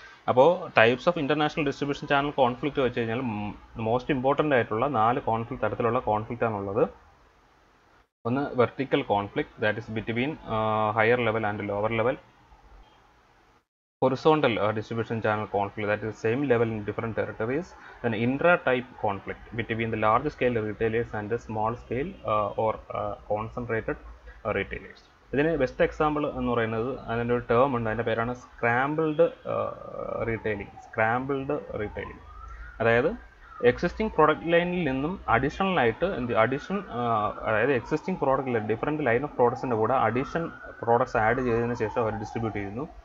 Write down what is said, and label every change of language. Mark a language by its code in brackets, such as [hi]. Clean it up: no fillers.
[ml] അപ്പോൾ [en] types of international distribution channel conflict [ml] വെച്ച് കഴിഞ്ഞാൽ [en] most important [ml] ആയിട്ടുള്ള നാല് കോൺഫ്ലിക്റ്റ് തരത്തിലുള്ള കോൺഫ്ലിക്റ്റാണുള്ളത്. ഒന്ന് vertical conflict, [en] That is between higher level and lower level. horizontal distribution channel conflict, that is the same level in different territories, then intra type conflict between the large scale retailers and the small scale or concentrated retailers. [ml] ഇതിന് best example എന്ന് പറയുന്നത് അതിൻ്റെ ഒരു term ഉണ്ട്, അതിൻ്റെ പേരാണ് scrambled retailing. Scrambled retailing അതായത് existing product ലൈനിൽ നിന്നും അഡീഷണലായിട്ട് എന്ത് അഡീഷൻ അതായത് existing product different line of പ്രോഡക്ട്സിൻ്റെ കൂടെ അഡീഷൻ പ്രോഡക്ട്സ് ആഡ് ചെയ്തതിന് ശേഷം അവർ ഡിസ്ട്രിബ്യൂട്ട് ചെയ്യുന്നു.